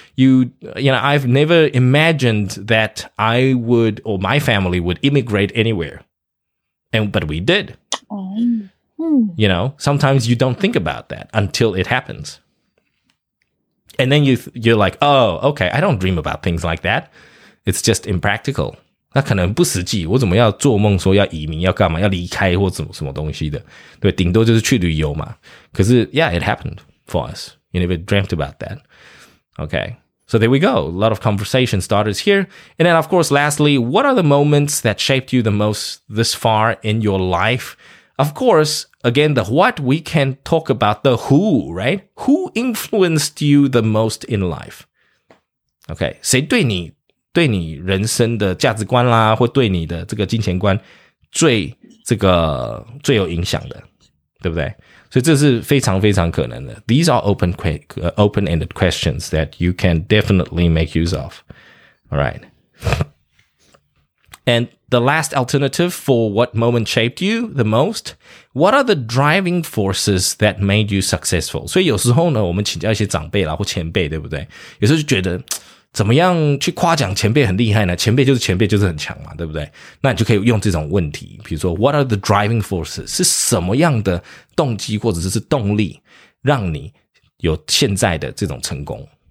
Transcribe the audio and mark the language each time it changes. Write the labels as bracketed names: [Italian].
[English] You know, I've never imagined that I would or my family would immigrate anywhere. But we did. You know, sometimes you don't think about that until it happens. And then you're like, oh, okay, I don't dream about things like that. It's just impractical. [Chinese] 那可能不实际，我怎么要做梦说要移民，要干嘛，要离开或什么东西的，对，顶多就是去旅游嘛。可是 [English] yeah, it happened for us. You never dreamt about that. Okay, so there we go. A lot of conversation starters here. And then, of course, lastly, what are the moments that shaped you the most this far in your life? Of course, again, the what we can talk about the who, right? Who influenced you the most in life? [Chinese] Okay, 谁对你人生的价值观啦，或对你的这个金钱观最有影响的，对不对？所以这是非常非常可能的。 [English] These are open-ended questions that you can definitely make use of. All right. And the last alternative for what moment shaped you the most? What are the driving forces that made you successful? [Chinese] 所以有时候呢，我们请教一些长辈啦或前辈，对不对？有时候就觉得怎么样去夸奖前辈很厉害呢？前辈就是前辈，就是很强嘛，对不对？那你就可以用这种问题，比如说 [English] What are the driving forces? [Chinese] 是什么样的动机或者是动力让你有现在的这种成功？